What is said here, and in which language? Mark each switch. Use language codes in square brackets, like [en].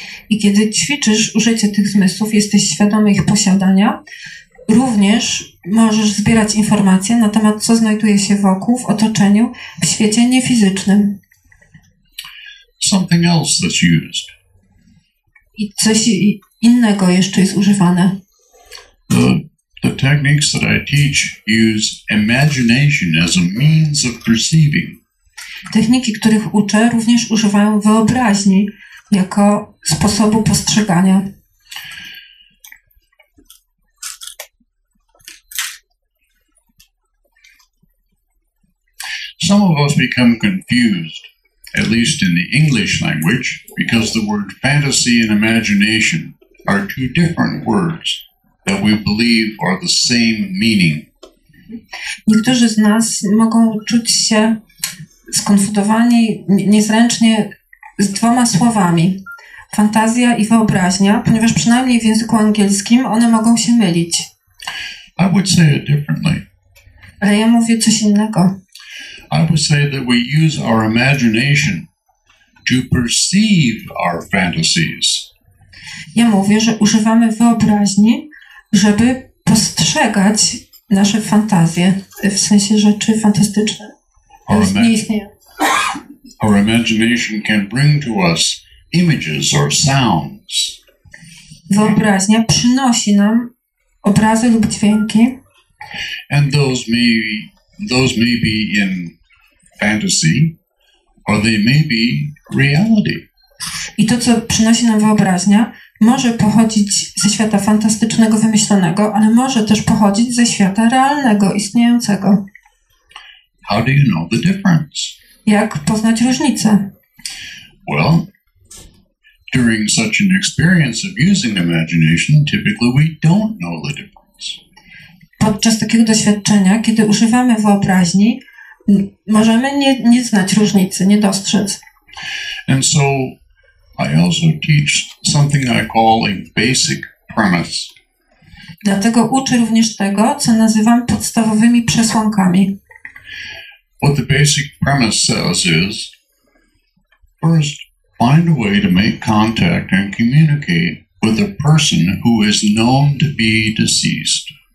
[pl] I kiedy ćwiczysz użycie tych zmysłów, jesteś świadomy ich posiadania, również możesz zbierać informacje na temat, co znajduje się wokół, w otoczeniu, w świecie niefizycznym. [en] Something else that's used. [pl] I coś innego jeszcze jest używane. [en] The techniques that I teach use imagination as a means of perceiving. [pl] Techniki, których uczę, również używają wyobraźni jako sposobu postrzegania. [en] Some of us become confused, at least in the English language, because the word fantasy and imagination are two different words that we believe are the same meaning. [pl] Niektórzy z nas mogą czuć się skonfundowani, niezręcznie z dwoma słowami. Fantazja i wyobraźnia, ponieważ przynajmniej w języku angielskim one mogą się mylić. [en] I would say it differently. [pl] Ale ja mówię coś innego. [en] I would say that we use our imagination to perceive our fantasies. [pl] Ja mówię, że używamy wyobraźni, żeby postrzegać nasze fantazje, w sensie rzeczy fantastyczne. [en] Our imagination can bring to us images or sounds. [pl] Wyobraźnia przynosi nam obrazy lub dźwięki. [en] And those may be in fantasy, or they may be reality. [pl] I to, co przynosi nam wyobraźnia, może pochodzić ze świata fantastycznego, wymyślonego, ale może też pochodzić ze świata realnego, istniejącego. [en] How do you know the difference? [pl] Jak poznać różnicę? [en] Well, during such an experience of using imagination, typically we don't know the difference. [pl] Podczas takiego doświadczenia, kiedy używamy wyobraźni, możemy nie znać różnicy, nie dostrzec. [en] And so I also teach something I call a basic premise. [pl] Dlatego uczę również tego, co nazywam podstawowymi przesłankami. [en] What the basic premise says is, first, find a way to make contact and communicate with a person who is known to be deceased.